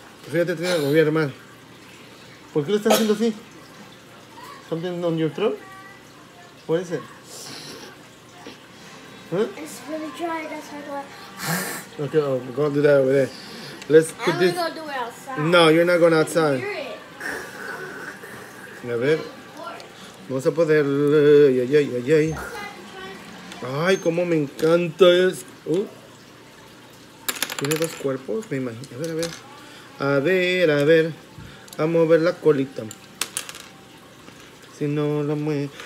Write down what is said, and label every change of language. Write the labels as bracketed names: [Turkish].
[Spanish] Fíjate, tenía algo bien mal. ¿Por qué lo estás haciendo así? [English] ¿Something on your throat? [Spanish] ¿Puede ser? ¿Eh? [English] It's really dry, that's my blood. Ok, go do that over there. Let's put I'm this. Gonna go do it outside. No, you're not going outside. [Spanish] A ver, vamos a poder. Ay, ay, cómo me encanta esto. Tiene dos cuerpos, me imagino. A ver. A mover la colita. Si no lo mueve.